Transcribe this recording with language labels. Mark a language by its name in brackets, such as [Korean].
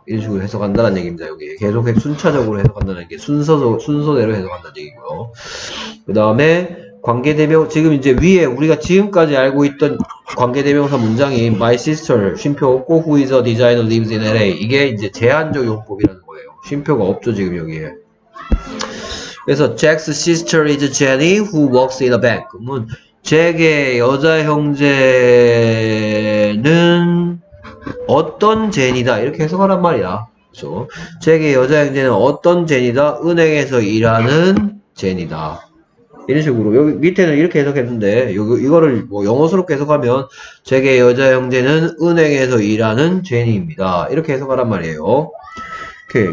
[Korean] 이런 식으로 해석한다는 얘기입니다. 여기 계속 순차적으로 해석한다는 게 순서대로 해석한다는 얘기고요. 그 다음에 관계대명, 지금 이제 위에 우리가 지금까지 알고 있던 관계대명사 문장이 [English] My sister, [Korean] 쉼표 없고 [English] Who is a designer lives in LA. [Korean] 이게 이제 제한적 용법이라는 거예요. 쉼표가 없죠, 지금 여기에. 그래서 [English] Jack's sister is Jenny who works in a bank. [Korean] 그러면 잭의 여자 형제는 어떤 제니다, 이렇게 해석하란 말이야. 그렇죠? 잭의 여자 형제는 어떤 제니다, 은행에서 일하는 제니다. 이런 식으로 여기 밑에는 이렇게 해석했는데, 이거를 뭐 영어스럽게 해석하면 잭의 여자 형제는 은행에서 일하는 제니입니다, 이렇게 해석하란 말이에요. 오케이.